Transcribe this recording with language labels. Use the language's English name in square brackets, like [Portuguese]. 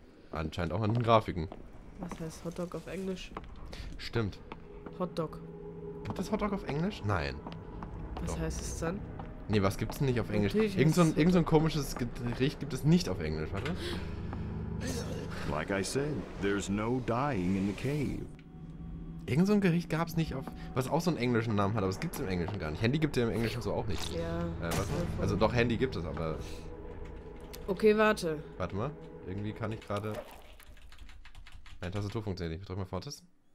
[German] Anscheinend auch an den Grafiken. Was heißt Hotdog auf Englisch? Stimmt. Hotdog. Gibt es Hotdog auf Englisch? Nein. Was doch. Heißt es dann? Nee, was gibt's denn nicht auf Englisch? Irgend so ein komisches Gericht gibt es nicht auf Englisch, warte. [English] Like I said, there's no dying in the cave. [German] Irgend so ein Gericht gab's nicht auf. Was auch so einen englischen Namen hat, aber es gibt's im Englischen gar nicht. Handy gibt es ja im Englischen so auch nicht. Ja. Also doch, Handy gibt es, aber. Okay, warte. Warte mal. Irgendwie kann ich gerade. Meine Tastatur funktioniert nicht. Drück mal vor, Tasten.